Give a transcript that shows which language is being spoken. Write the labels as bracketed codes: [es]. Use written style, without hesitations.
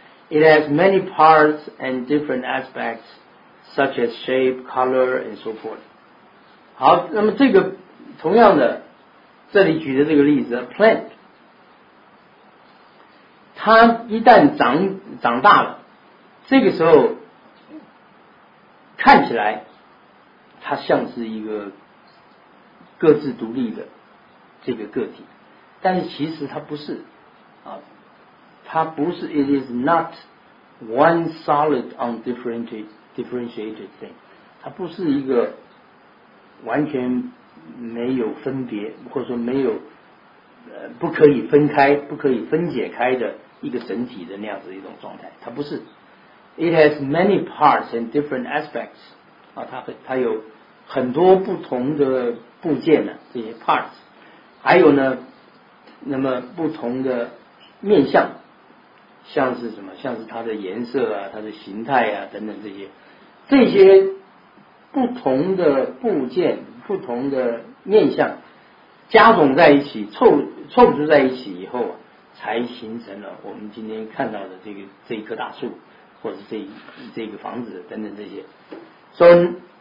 [en] It has many parts and different aspects, such as shape, color, and so forth. [zh] 好，那么这个同样的，这里举的这个例子 ， [en] a plant， [zh] 它一旦长大了，这个时候看起来。它像是一个各自独立的这个个体，但是其实它不是啊，它不是 ， [en] it is not one solid undifferentiated thing， [zh] 它不是一个完全没有分别或者说没有不可以分开、不可以分解开的一个整体的那样子一种状态，它不是。 [en] It has many parts and different aspects， [zh] 啊，它有。很多不同的部件呢，这些 parts， 还有呢，那么不同的面向，像是什么，像是它的颜色啊，它的形态啊，等等这些不同的部件、不同的面向，加总在一起，凑组在一起以后，才形成了我们今天看到的这一棵大树，或者这个房子等等这些，所以。